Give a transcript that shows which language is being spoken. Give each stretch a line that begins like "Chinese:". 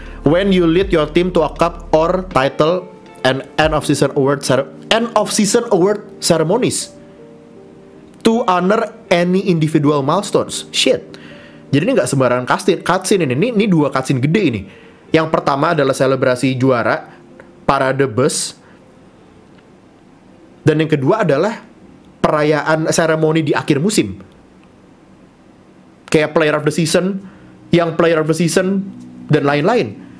English: When you lead your team to a cup or title and end of season award ceremonies. To honor any individual milestones. Shit.
Indonesian: Jadi ini gak sembarangan cutscene ini. Ini dua cutscene gede ini. Yang pertama adalah selebrasi juara, parade bus. Dan yang kedua adalah perayaan seremoni di akhir musim. Kayak player of the season, yang player of the season, dan lain-lain.